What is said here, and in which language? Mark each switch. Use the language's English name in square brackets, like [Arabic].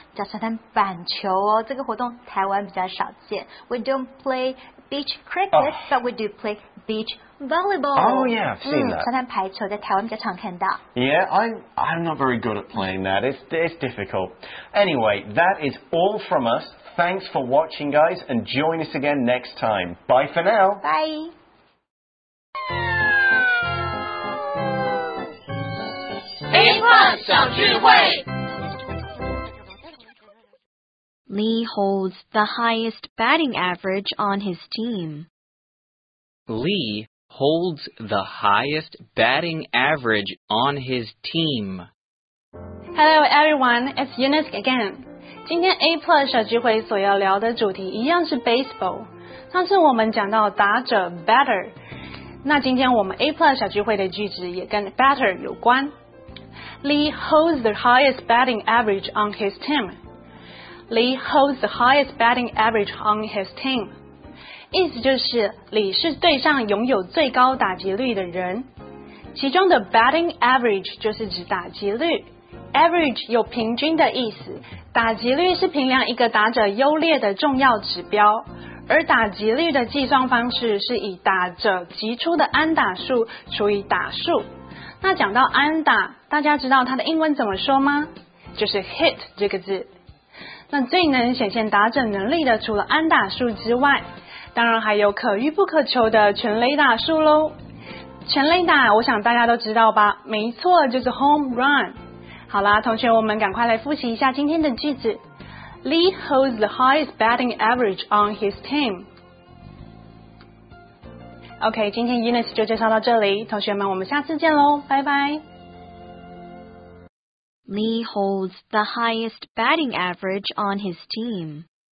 [Chinese] 叫沙滩板球哦，这个活动台湾比较少见。 [English] We don't play beach cricket,、oh. but we do play beach volleyball. Oh yeah, I've seen that. [Chinese] 沙滩排球在台湾比较常看到。 [English] Yeah, I'm not very good at playing that. It's difficult. Anyway, that is all from us. Thanks for watching, guys, and join us again next time. Bye for now. Bye. Lee holds the highest batting average on his team. Lee holds the highest batting average on his team. Hello everyone, it's Eunice again. [Chinese] 今天 A Plus 小聚会所要聊的主题一样是 baseball. 上次我们讲到打者 batter, 那今天我们 A Plus 小聚会的句子也跟 batter 有关。 [English] Lee holds the highest batting average on his team. Lee holds the highest batting average on his team. [Chinese] 意思就是李是队上拥有最高打击率的人。其中的 batting average 就是指打击率， average 有平均的意思，打击率是评量一个打者优劣的重要指标，而打击率的计算方式是以打者击出的安打数除以打数。那讲到安打，大家知道它的英文怎么说吗？就是 hit 这个字。那最能显现打者能力的，除了安打数之外，当然还有可遇不可求的全垒打数咯。全垒打我想大家都知道吧，没错，就是 home run。好啦，同学，我们赶快来复习一下今天的句子。 [English] Lee holds the highest batting average on his team。 [Chinese] OK， 今天 Eunice 就介绍到这里，同学们，我们下次见咯，拜拜。 [English] Lee holds the highest batting average on his team。